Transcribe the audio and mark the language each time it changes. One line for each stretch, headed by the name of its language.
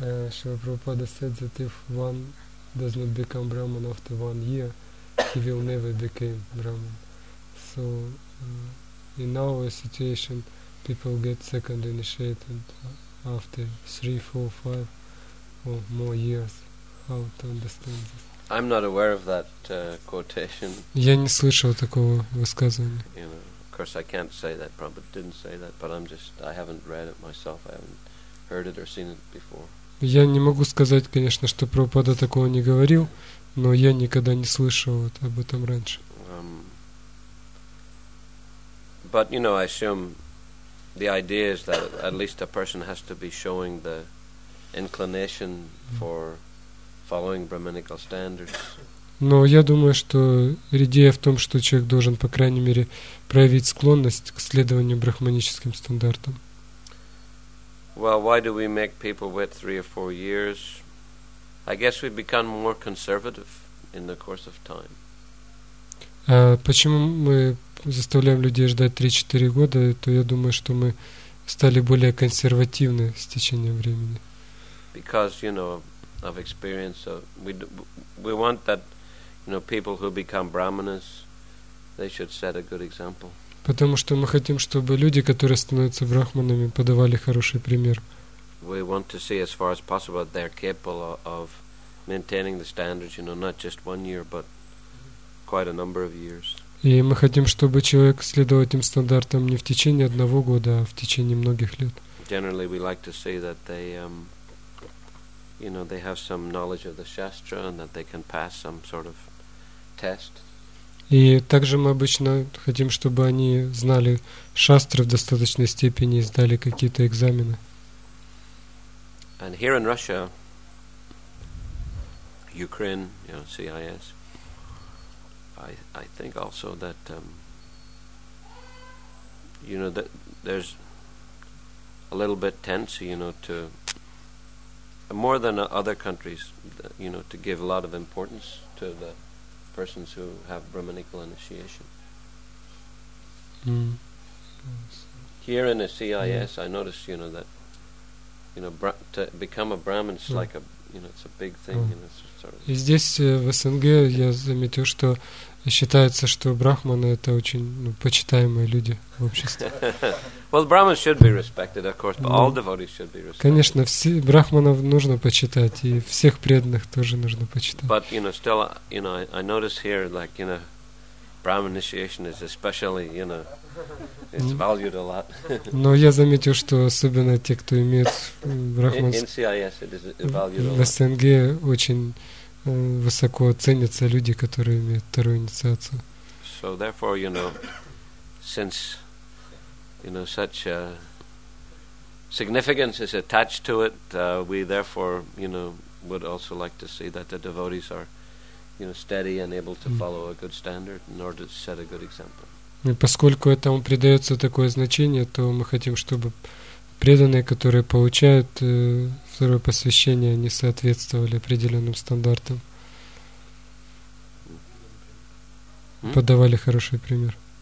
English: Шрила Прабхупада said that if one does not become Brahman after 1 year, he will never become Brahman. So, in our situation, people get second initiated after 3, 4, 5 or more years. How to understand this? I'm not aware of that quotation.
Russian: Я не слышал такого высказывания.
English: You know, of course, I can't say that Prabhupada didn't say that, but I haven't read it myself. I haven't heard it or seen it before.
Russian: Я не могу сказать, конечно, что Прабхупада такого не говорил, но я никогда не слышал вот об этом раньше.
English: But, you know, I assume the idea is that at least a person has to be showing the inclination for following brahminical standards.
Russian: Но я думаю, что идея в том, что человек должен, по крайней мере, проявить склонность к следованию брахманическим стандартам.
English: Well, why do we make people wait 3 or 4 years? I guess we become more conservative in the course of time.
Russian: Почему мы заставляем людей ждать 3-4 года? То я думаю, что мы стали более консервативны с течением времени.
English: Because, you know, of experience, we want that, you know, people who become brahmanas, they should set a good example.
Russian: Потому что мы хотим, чтобы люди, которые становятся брахманами, подавали хороший пример.
English: We want to see as far as possible that they're capable of maintaining the standards, you know, not just 1 year, but quite a number of years.
Russian: И мы хотим, чтобы человек следовал этим стандартам не в течение 1 года, а в течение многих лет.
English: Generally, we like to see that they, you know, they have some knowledge of the shastra and that they can pass some sort of test.
Russian: И также мы обычно хотим, чтобы они знали шастры в достаточной степени и сдали какие-то экзамены.
English: And here in Russia, Ukraine, you know, CIS, I think also that, you know, that there's a little bit tense, you know, to more than other countries, you know, to give a lot of importance to the persons who have brahmanical initiation. Here in the CIS, I noticed, you know, that, you know, to become a Brahmin is like a, you know, it's a big thing. You know, sort of.
Russian: И здесь в СНГ я заметил, что считается, что брахманы это очень, ну, почитаемые люди в обществе.
English: Well, Brahmins should be respected, of course, but all devotees should be respected.
Russian: Конечно, все брахманов нужно почитать, и всех преданных тоже нужно почитать.
English: But, you know, still, you know, I notice here, like, you know, Brahmin initiation is especially, you know, it's valued a lot.
Russian: Но я заметил, что особенно те, кто имеет брахманство,
English: in CIS it is valued
Russian: в СНГ очень высоко ценятся люди, которые имеют вторую инициацию.
English: So therefore, you know, since, you know, such a significance is attached to it, we therefore, you know, would also like to see that the devotees are, you know, steady and able to follow a good standard in order to set a good example.
Russian: И поскольку этому придается такое значение, то мы хотим, чтобы преданные, которые получают второе посвящение, не соответствовали определенным стандартам. Подавали хороший пример.